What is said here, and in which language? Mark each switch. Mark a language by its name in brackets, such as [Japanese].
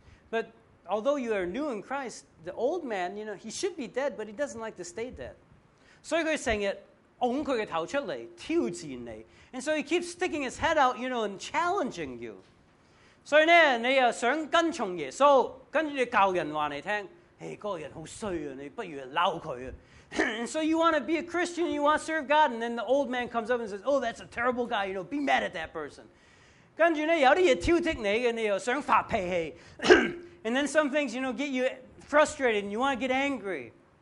[English] But although you are new in Christ, the old man, you know, he should be dead, but he doesn't like to stay dead. [Chinese] 所以他经常推他的头出来,挑战你。 [English] And so he keeps sticking his head out, you know, and challenging you. [Chinese] 所以呢,你又想跟从耶稣,跟着旧人告诉你,那个人很坏,你不如骂他。 [English] And so you want to be a Christian, you want to serve God, and then the old man comes up and says, oh, that's a terrible guy, you know, be mad at that person. And then some things, you know, get you frustrated, and you want to get angry.